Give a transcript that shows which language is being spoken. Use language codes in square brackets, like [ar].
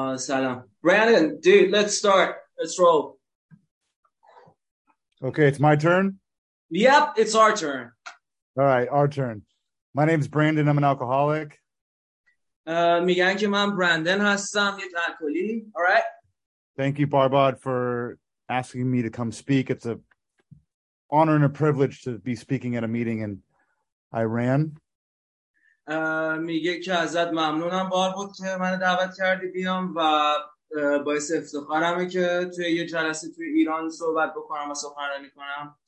[en] Salam. Brandon, dude, let's start. Let's roll. Okay, it's my turn? Yep, it's our turn. All right, our turn. My name's Brandon. I'm an alcoholic. [fa] میگن که من براندن هستم، یه الکلی. [en] All right. Thank you, Barbad, for asking me to come speak. It's a honor and a privilege to be speaking at a meeting in Iran. [fa] میگه که ازت ممنونم بار بود که من دعوت کردی بیام و باعث افتخارمه که توی یه جلسه توی ایران صحبت بکنم و سخنرانی کنم.